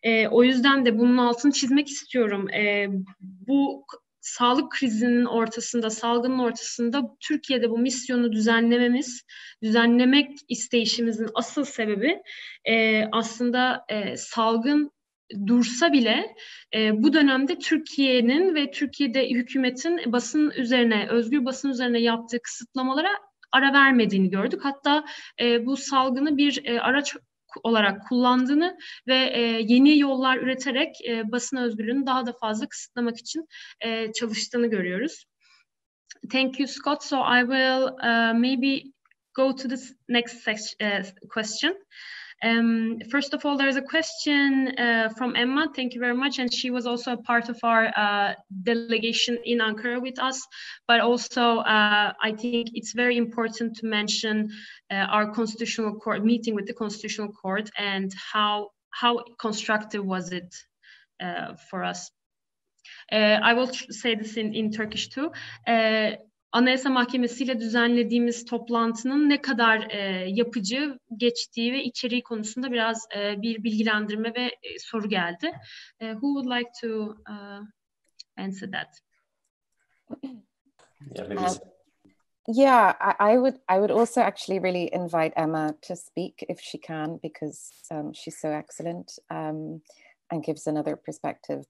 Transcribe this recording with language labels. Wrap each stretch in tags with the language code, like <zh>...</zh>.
<tr>O yüzden de bunun altını çizmek istiyorum. Bu sağlık krizinin ortasında, salgının ortasında Türkiye'de bu misyonu düzenlemek isteyişimizin asıl sebebi aslında salgın dursa bile bu dönemde Türkiye'nin ve Türkiye'de hükümetin basın üzerine, özgür basın üzerine yaptığı kısıtlamalara ara vermediğini gördük. Hatta bu salgını bir araç olarak kullandığını ve yeni yollar üreterek basın özgürlüğünü daha da fazla kısıtlamak için çalıştığını görüyoruz.</tr> <en>Thank you, Scott. So I will maybe go to the next question. First of all, there is a question from Emma. Thank you very much. And she was also a part of our delegation in Ankara with us. But also, I think it's very important to mention our constitutional court meeting with the constitutional court and how constructive was it for us. I will say this in Turkish too.</en> <tr>Anayasa Mahkemesi'yle düzenlediğimiz toplantının ne kadar yapıcı geçtiği ve içeriği konusunda biraz bir bilgilendirme ve soru geldi.</tr> <en>Who would like to answer that? I would also actually really invite Emma to speak if she can, because she's so excellent and gives another perspective.</en>